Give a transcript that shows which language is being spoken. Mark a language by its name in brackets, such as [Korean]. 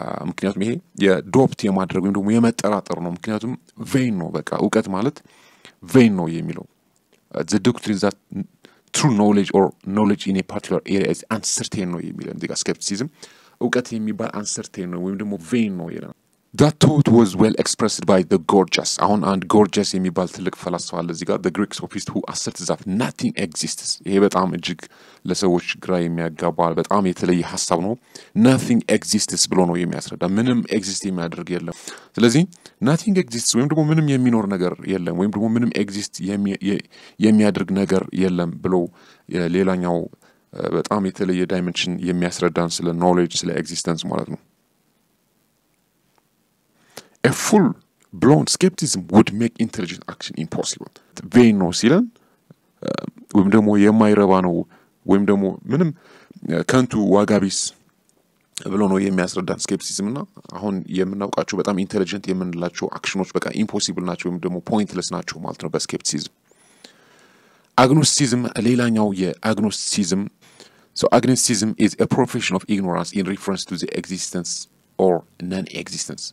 [Amharic] ምክንያቱም ይሄ የdoubt የማድረግ ወይም ደግሞ የመጠራጠር ነው ምክንያቱም vain ነው በቃ እውቀት ማለት vain ነው የሚለው [English] the doctrine that true knowledge or knowledge in a particular area is uncertain [Amharic] ነው የሚለው እንደ ጋር skepticism እውቀት የሚባል uncertain ነው ወይም ደግሞ vain ነው ይላል። [English] That thought was well expressed by the gorgias. [Amharic] አሁን አንድ gorgias የሚባል ትልቅ ፈላስፋ አለ እዚህ ጋር [English] the greek sophist who asserted that nothing exists. [Amharic] ይሄ በጣም እጅግ ለሰዎች ግራ የሚያጋባ በጣም የተለየ ሐሳብ ነው። nothing exists ብሎ ነው የሚያስረዳ ምንም exist የሚያደርግ የለም። ስለዚህ nothing exists ወይም ደግሞ ምንም የሚኖር ነገር የለም ወይም ደግሞ ምንም exist የሚያደርግ ነገር የለም ብሎ ሌላኛው በጣም የተለየ dimension የሚያስረዳን ስለ knowledge ስለ existence ማለት ነው። [English] a full blown skepticism would make intelligent action impossible. [Amharic] Vain no silan ወይም ደግሞ የማይረባ ነው ወይም ደግሞ ምንም ከንቱ ዋጋቢስ ብሎ ነው የሚያስረዳን skepticism እና አሁን የምናውቃቸው በጣም intelligent የምንላቸው actions በቃ impossible ናቸው ወይም ደግሞ pointless ናቸው ማለት ነው በskepticism. Agnosticism ሌላኛው የagnosticism. [English] So agnosticism is a profession of ignorance in reference to the existence or non-existence.